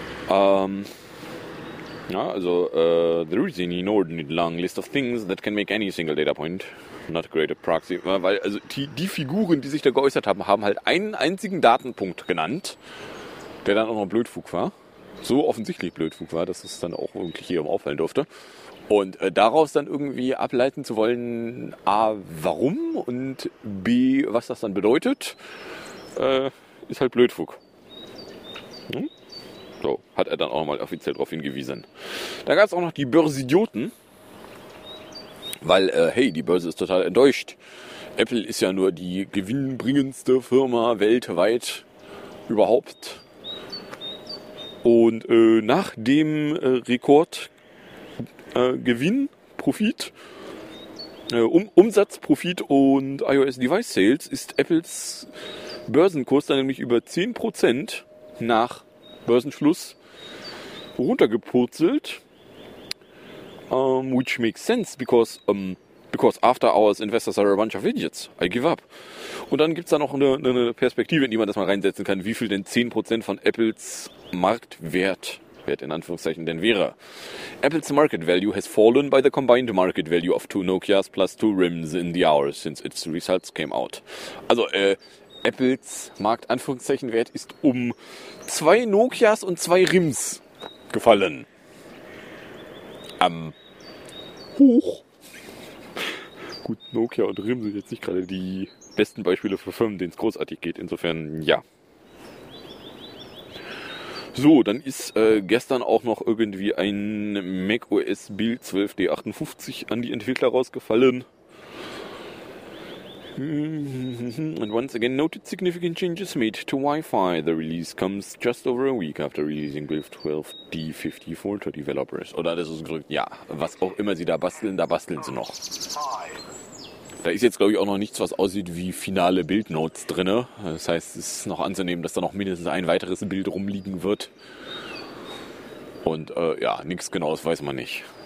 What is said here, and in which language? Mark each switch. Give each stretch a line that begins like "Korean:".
German: Ja, also,
English: there is an inordinate long list of things that can make any single data point not great a proxy.
German: Weil, also, die Figuren, die sich da geäußert haben, haben halt einen einzigen Datenpunkt genannt, der dann auch noch Blödfug war. So offensichtlich Blödfug war, dass es dann auch wirklich hier auffallen durfte. Und daraus dann irgendwie ableiten zu wollen, A, warum und B, was das dann bedeutet, ist halt Blödfug. Hm? So, hat er dann auch mal offiziell darauf hingewiesen. Da gab es auch noch die Börsidioten, weil, hey, die Börse ist total enttäuscht. Apple ist ja nur die gewinnbringendste Firma weltweit überhaupt. Und nach dem Rekordgewinn, Profit, Umsatz, Profit und iOS Device Sales ist Apples Börsenkurs dann nämlich über 10% nach Börsenschluss runtergepurzelt.
English: Which makes sense, because after hours investors are a bunch of idiots. I give up.
German: Und dann gibt es da noch eine Perspektive, in die man das mal reinsetzen kann, wie viel denn 10% von Apples Marktwert, Wert in Anführungszeichen, denn wäre.
English: Apples market value has fallen by the combined market value of two Nokias plus two RIMs in the hours since its results came out.
German: Also, Apples Markt-Anführungszeichen-Wert ist um zwei Nokias und zwei RIMs gefallen. Hoch. Gut, Nokia und RIM sind jetzt nicht gerade die besten Beispiele für Firmen, denen es großartig geht. Insofern, ja. So, dann ist gestern auch noch irgendwie ein macOS Build 12D58 an die Entwickler rausgefallen.
English: And once again noted significant changes made to Wi-Fi. The release comes just over a week after releasing Build 12D54 to developers.
German: Oder das ist gedrückt, ja. Was auch immer sie da basteln sie noch. Da ist jetzt, glaube ich, auch noch nichts, was aussieht wie finale Build-Notes drin. Das heißt, es ist noch anzunehmen, dass da noch mindestens ein weiteres Bild rumliegen wird. Und ja, nichts Genaues weiß man nicht.